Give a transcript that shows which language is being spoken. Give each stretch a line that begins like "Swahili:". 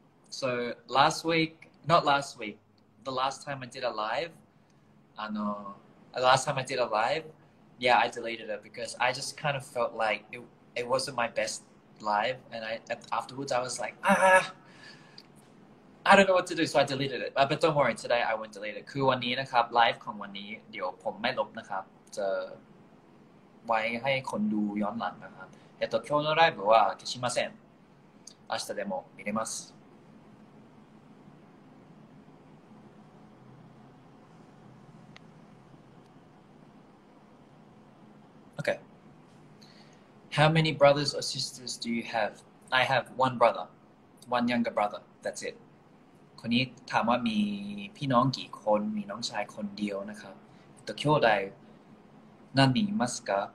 English: So last week, not last week, the last time I did a live, last time I did a live. Yeah, I deleted it because I just kind of felt like it wasn't my best live, and afterwards I was like, I don't know what to do, so I deleted it. But don't worry, today I won't delete it.
Thai: คือวันนี้นะครับไลฟ์ของวันนี้เดี๋ยวผมไม่ลบนะครับจะไว้ให้คนดูย้อนหลังนะครับ
Japanese: 今日のライブは消しません。明日でも見れます。
English: How many brothers or sisters do you have? I have one brother, one younger brother. That's it.
Thai: คนนี้ถามว่ามีพี่น้องกี่คนมีน้องชายคนเดียวนะครับ
Japanese: きょうだい何人いますか？